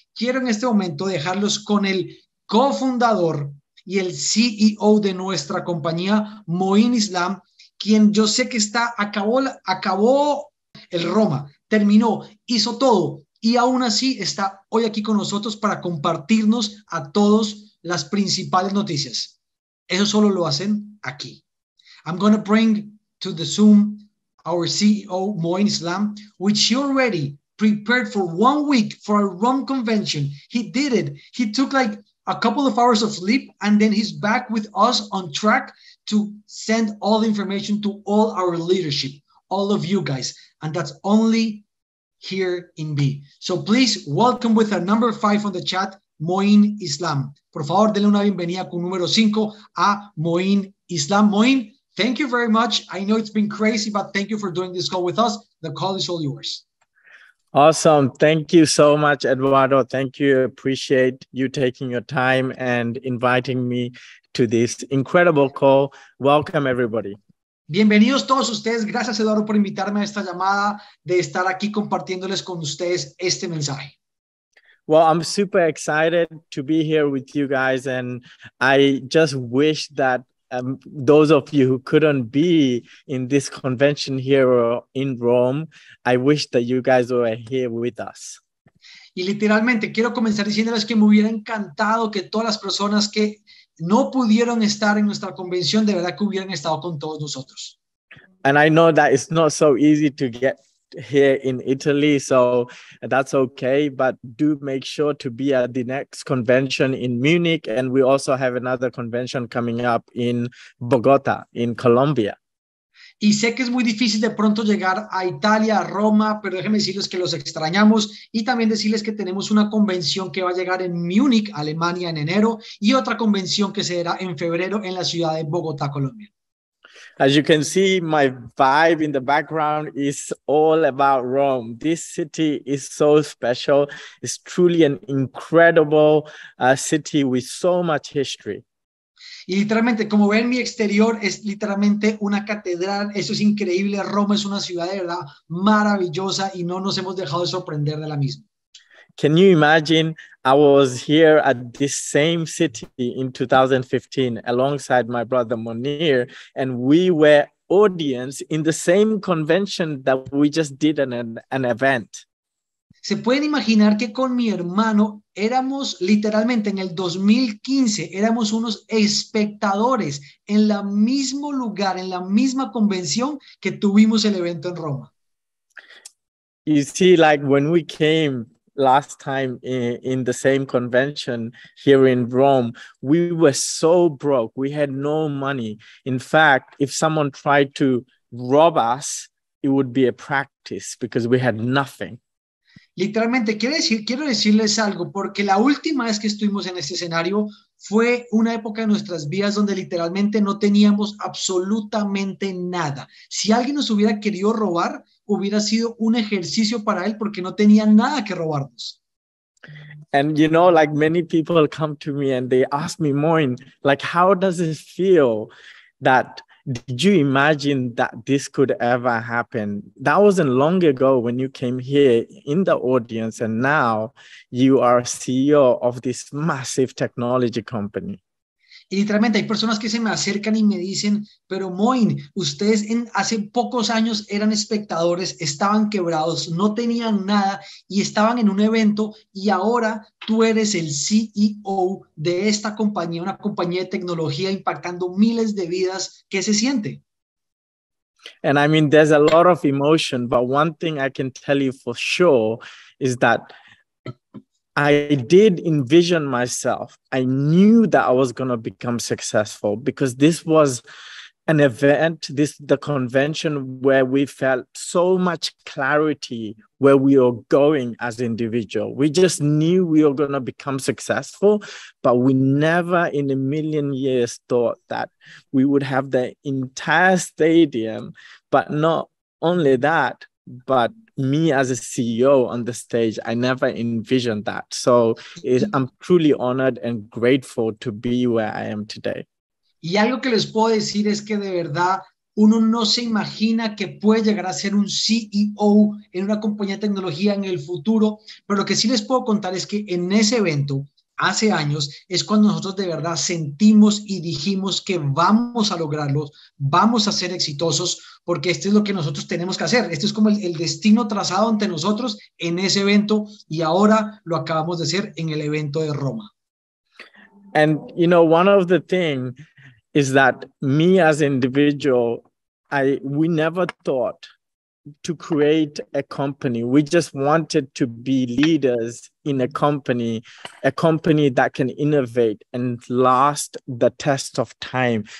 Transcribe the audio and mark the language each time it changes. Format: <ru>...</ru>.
<es>Quiero en este momento dejarlos con el cofundador y el CEO de nuestra compañía, Moyn Islam, quien yo sé que está, acabó el Roma, terminó, hizo todo y aún así está hoy aquí con nosotros para compartirnos a todos las principales noticias. Eso solo lo hacen aquí.</es> <en>I'm going to bring to the Zoom our CEO, Moyn Islam, which he already prepared for 1 week for a Rome convention. He did it. He took like a couple of hours of sleep, and then he's back with us on track to send all the information to all our leadership, all of you guys. And that's only here in B. So please welcome with a number 5 on the chat, Moyn Islam.</en> <es>Por favor, denle una bienvenida con número 5 a Moyn Islam.</es> <en>Moyn, thank you very much. I know it's been crazy, but thank you for doing this call with us. The call is all yours. Awesome. Thank you so much, Eduardo. Thank you. Appreciate you taking your time and inviting me to this incredible call. Welcome, everybody.</en> <es>Bienvenidos todos ustedes. Gracias, Eduardo, por invitarme a esta llamada de estar aquí compartiéndoles con ustedes este mensaje.</es> <en>Well, I'm super excited to be here with you guys, and I just wish that those of you who couldn't be in this convention here in Rome, I wish that you guys were here with us.</en> <es>Y literalmente quiero comenzar diciéndoles que me hubiera encantado que todas las personas que no pudieron estar en nuestra convención de verdad que hubieran estado con todos nosotros.</es> <en>And I know that it's not so easy to get here in Italy, so that's okay, but do make sure to be at the next convention in Munich, and we also have another convention coming up in Bogota in Colombia.</en> <es>Y sé que es muy difícil de pronto llegar a Italia, a Roma, pero déjenme decirles que los extrañamos y también decirles que tenemos una convención que va a llegar en Munich, Alemania, en enero, y otra convención que será en febrero en la ciudad de Bogotá, Colombia.</es> <en>As you can see, my vibe in the background is all about Rome. This city is so special. It's truly an incredible city with so much history.</en> <es>Y literalmente, como ven, mi exterior es literalmente una catedral. Eso es increíble. Roma es una ciudad de verdad maravillosa y no nos hemos dejado de sorprender de la misma.</es> <en>Can you imagine I was here at this same city in 2015 alongside my brother Monir, and we were audience in the same convention that we just did an event?</en> <es>¿Se pueden imaginar que con mi hermano éramos literalmente en el 2015, éramos unos espectadores en el mismo lugar, en la misma convención que tuvimos el evento en Roma?</es> <en>You see, like when we came last time in the same convention here in Rome, we were so broke. We had no money. In fact, if someone tried to rob us, it would be a practice because we had nothing.</en> <es>Literalmente, quiero decirles algo, porque la última vez que estuvimos en este escenario fue una época de nuestras vidas donde literalmente no teníamos absolutamente nada. Si alguien nos hubiera querido robar, hubiera sido un ejercicio para él porque no tenía nada que robarnos.</es> <en>And you know, like many people come to me and they ask me, Moyn, like how does it feel that, did you imagine that this could ever happen? That wasn't long ago when you came here in the audience, and now you are CEO of this massive technology company.</en> <es>Y literalmente hay personas que se me acercan y me dicen, pero Moyn, ustedes en hace pocos años eran espectadores, estaban quebrados, no tenían nada y estaban en un evento y ahora tú eres el CEO de esta compañía, una compañía de tecnología impactando miles de vidas. ¿Qué se siente?</es> <en>And I mean, there's a lot of emotion, but one thing I can tell you for sure is that I did envision myself. I knew that I was going to become successful because this was an event, the convention where we felt so much clarity where we are going as individual. We just knew we were going to become successful, but we never in a million years thought that we would have the entire stadium, but not only that, but me as a CEO on the stage, I never envisioned that. So I'm truly honored and grateful to be where I am today.</en> <es>Y algo que les puedo decir es que de verdad uno no se imagina que puede llegar a ser un CEO en una compañía de tecnología en el futuro, pero lo que sí les puedo contar es que en ese evento, hace años, es cuando nosotros de verdad sentimos y dijimos que vamos a lograrlo, vamos a ser exitosos, porque esto es lo que nosotros tenemos que hacer. Esto es como el destino trazado ante nosotros en ese evento, y ahora lo acabamos de hacer en el evento de Roma.</es> <en>And, you know, one of the things is that me as an individual, we never thought to create a company. We just wanted to be leaders in a company that can innovate and last the test of time.</en>